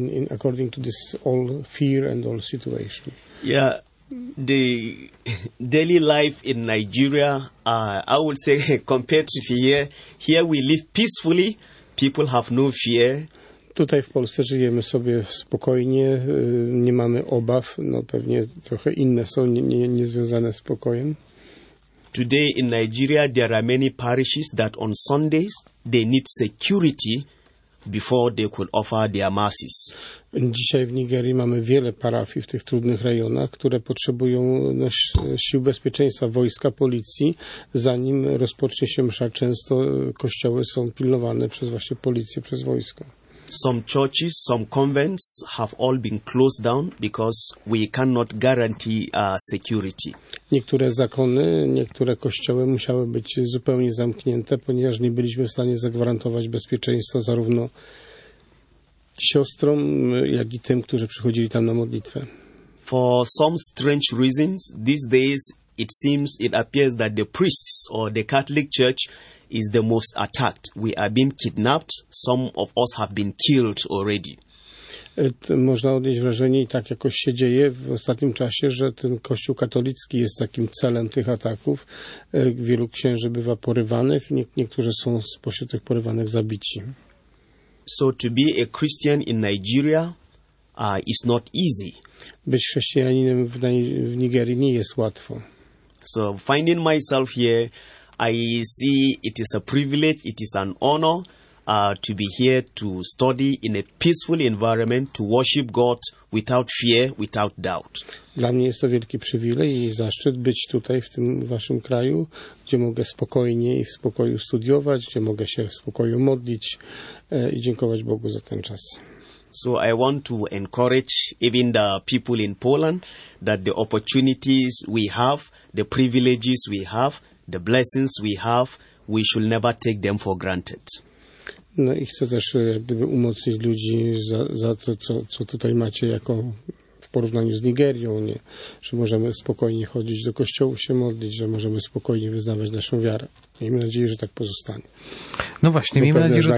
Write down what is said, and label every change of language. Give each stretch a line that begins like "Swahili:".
English: According to this all fear and all situation. Yeah. The daily life in Nigeria, I would say, compared to here we live peacefully, people have no fear.
Polish: Tutaj w Polsce żyjemy sobie spokojnie, nie mamy obaw, no pewnie trochę inne są, nie związane z pokojem.
English: Today in Nigeria there are many parishes that on Sundays they need security before they could offer their masses.
Polish: Dzisiaj w Nigerii mamy wiele parafii w tych trudnych rejonach, które potrzebują sił bezpieczeństwa, wojska, policji, zanim rozpocznie się msza. Często kościoły są pilnowane przez właśnie policję, przez wojsko.
English: Some churches, some convents have all been closed down because we cannot guarantee security.
Polish: Niektóre zakony, niektóre kościoły musiały być zupełnie zamknięte, ponieważ nie byliśmy w stanie zagwarantować bezpieczeństwa zarówno siostrom, jak i tym, którzy przychodzili tam na modlitwę.
English: For some strange reasons, these days it seems it appears that the priests or the Catholic Church is the most attacked. We are being kidnapped, some of us have been killed already.
Polish: Można odnieść wrażenie, i tak jakoś się dzieje w ostatnim czasie, że ten kościół katolicki jest takim celem tych ataków. Wielu księży bywa porywanych, niektórzy są spośród tych porywanych zabici.
English: So to be a Christian in Nigeria is not easy.
Polish: Być chrześcijaninem w Nigerii nie jest łatwo.
English: So finding myself here, I see it is a privilege, it is an honor to be here to study in a peaceful environment, to worship God without fear, without doubt.
Polish: Dla mnie jest to wielki przywilej i zaszczyt być tutaj w tym waszym kraju, gdzie mogę spokojnie i w spokoju studiować, gdzie mogę się w spokoju modlić i dziękować Bogu za ten czas.
English: So I want to encourage even the people in Poland that the opportunities we have, the privileges we have, the blessings we have, we should never take them for granted.
Polish: No i chcę też jak gdyby umocnić ludzi za to, co tutaj macie jako w porównaniu z Nigerią, nie? Że możemy spokojnie chodzić do kościołów się modlić, że możemy spokojnie wyznawać naszą wiarę. Miejmy nadzieję, że tak pozostanie. No właśnie, miejmy nadzieję, że tak...